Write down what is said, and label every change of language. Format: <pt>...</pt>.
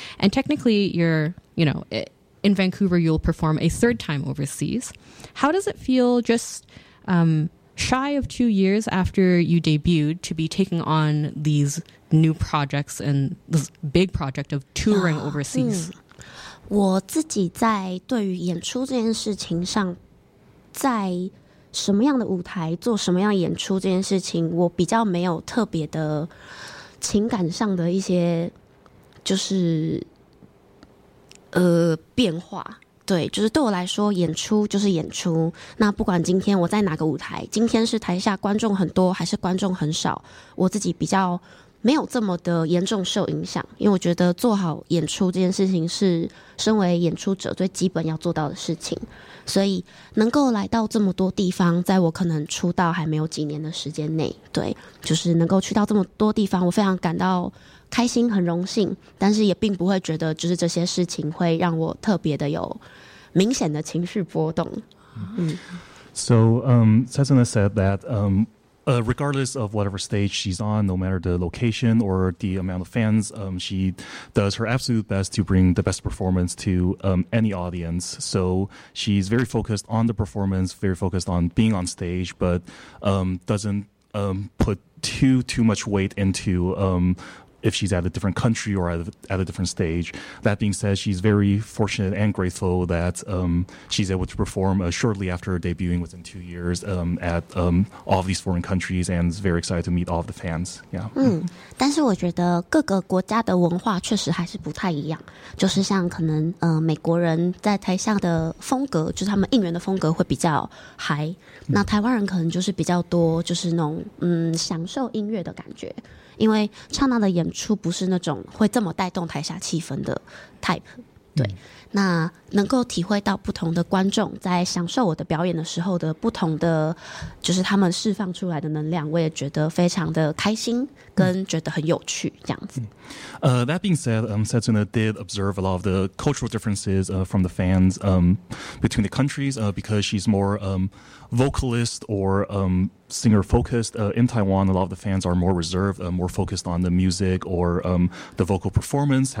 <en>And technically, you're, you know, in Vancouver, you'll perform a third time overseas. How does it feel just shy of 2 years after you debuted to be taking on these new projects and this big project of touring overseas?</en> <zh>我自己在对于演出这件事情上，在什么样的舞台做什么样演出这件事情，我比较没有特别的情感上的一些就是变化。对，就是对我来说，演出就是演出，那不管今天我在哪个舞台，今天是台下观众很多还是观众很少，我自己比较没有这么的严重受影响，因为我觉得做好演出这件事情是身为演出者最基本要做到的事情，所以能够来到这么多地方，在我可能出道还没有几年的时间内，对，就是能够去到这么多地方，我非常感到开心，很荣幸，但是也并不会觉得就是这些事情会让我特别的有明显的情绪波动。</zh> <en>So, Sazana said that regardless of whatever stage she's on, no matter the location or the amount of fans, she does her absolute best to bring the best performance to any audience. So she's very focused on the performance, very focused on being on stage, but doesn't put too much weight into if she's at a different country or at a different stage. That being said, she's very fortunate and grateful that she's able to perform shortly after debuting within 2 years at all of these foreign countries and is very excited to meet all of the fans. Yeah.</en> <zh>但是我觉得各个国家的文化确实还是不太一样，就是像可能美国人在台下的风格，就是他们应援的风格会比较high，那台湾人可能就是比较多就是那种享受音乐的感觉。因为唱娜的演出不是那种会这么带动台下气氛的 type， 对，那能够体会到不同的观众在享受我的表演的时候的不同的，就是他们释放出来的能量，我也觉得非常的开心，跟觉得很有趣这样子。</zh> <en>That being said, Setsuna did observe a lot of the cultural differences from the fans between the countries because she's more vocalist or singer focused. In Taiwan, a lot of the fans are more reserved, more focused on the music or the vocal performance.</en>